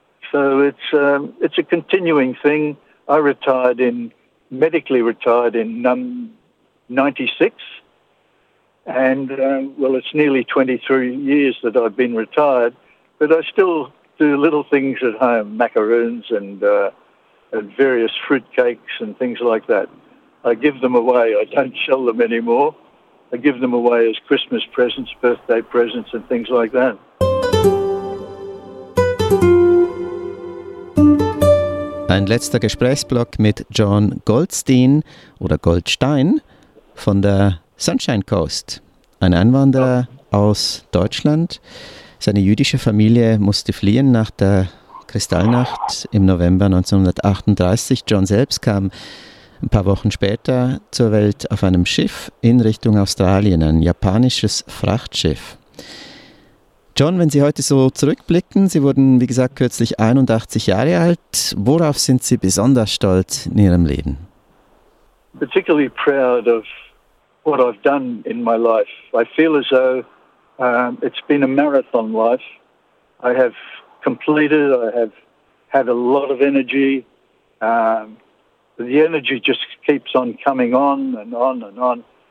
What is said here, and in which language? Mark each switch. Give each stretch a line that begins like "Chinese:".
English: So it's a continuing thing. I medically retired in 96, and it's nearly 23 years that I've been retired, but I still do little things at home, macaroons and various fruit cakes and things like that. I give them away. I don't sell them anymore. I give them away as Christmas presents, birthday presents, and things like that.
German: Ein letzter Gesprächsblock mit John Goldstein oder Goldstein von der Sunshine Coast. Ein Einwanderer aus Deutschland. Seine jüdische Familie musste fliehen nach der Kristallnacht im November 1938. John selbst kam ein paar Wochen später zur Welt auf einem Schiff in Richtung Australien, ein japanisches Frachtschiff. John, wenn Sie heute so zurückblicken, Sie wurden, wie gesagt, kürzlich 81 Jahre alt. Worauf sind Sie besonders stolz in Ihrem Leben?
English: Particularly proud of what I've done in my life. I feel as though it's been a marathon life. I have completed, I have had a lot of energy. The energy just keeps on coming on and on and on.